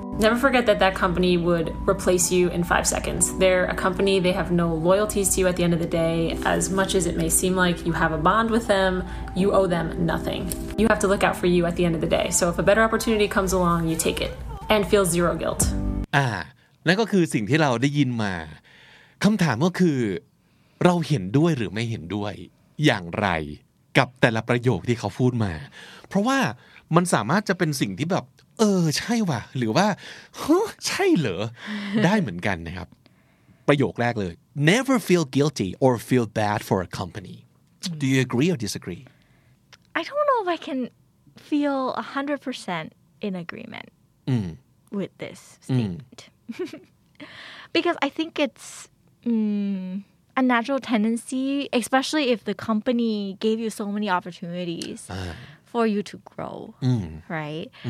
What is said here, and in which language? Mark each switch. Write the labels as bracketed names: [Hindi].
[English] Never forget that that company would replace you in 5 seconds. They're a company. They have no loyalties to you at the end of the day. As much as it may seem like you have a bond with them, you owe them nothing. You have to look out for you at the end of the day. So if a better opportunity comes along, you take it. And feel zero guilt. [Thai] นั่นก็คือสิ่งที่เราได้ยินมาคำถามก็คือเราเห็นด้วยหรือไม่เห็นด้วยอย่างไรกับแต่ละประโยคที่เขาพูดมาเพราะว่ามันสามารถจะเป็นสิ่งที่แบบใช่ว่ะหรือว่าใช่เหรอได้เหมือนกันนะครับประโยคแรกเลย [English] Never feel guilty or feel bad for a company. Do you agree or disagree? I don't know if I can feel 100% in agreement. With this statement. Because I think it's a natural tendency, especially if the company gave you so many opportunities for you to grow, right?